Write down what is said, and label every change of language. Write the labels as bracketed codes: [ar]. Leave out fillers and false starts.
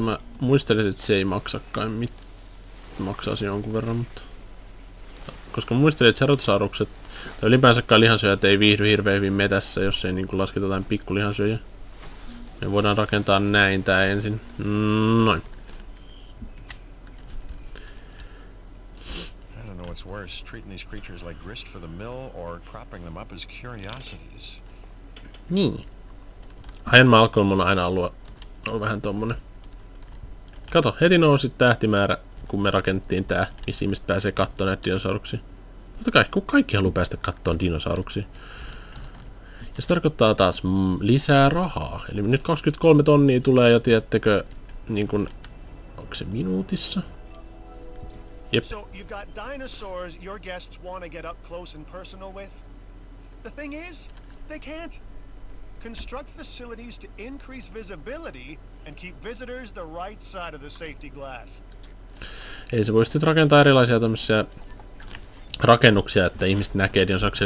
[fi] Mä muistelin, että se ei maksakaan mitään. Maksaisi jonkun verran, mutta... Koska mä muistelin, että Ceratosaurukset, tai ylipäänsäkään lihansyöjät, ei viihdy hirveän hyvin metässä, jos ei niinku lasketa jotain pikkulihansyöjä. Me voidaan rakentaa näin tää ensin. Noin. [en] What's worse, treating these creatures like grist for the mill or cropping them up as curiosities? [fi] Niin. Ajan Malcolm on aina ollut vähän tommonen. Kato, heti nousi tähtimäärä, kun me rakennettiin tää, missä ihmiset pääsee kattoon näitä dinosauruksia. Totta kai, kun kaikki haluaa päästä kattoon dinosauruksia. Ja se tarkoittaa taas lisää rahaa. Eli nyt 23 tonnia tulee jo, tiedättekö, niin kun, onko se minuutissa? [en] Yep. So you've got dinosaurs your guests want to get up close and personal with. The thing is, they can't construct facilities to increase visibility and keep visitors the right side of the safety glass. [fi] Ei se voisi rakentaa erilaisia tämmöisiä rakennuksia, että ihmiset näkee dinosauruksia.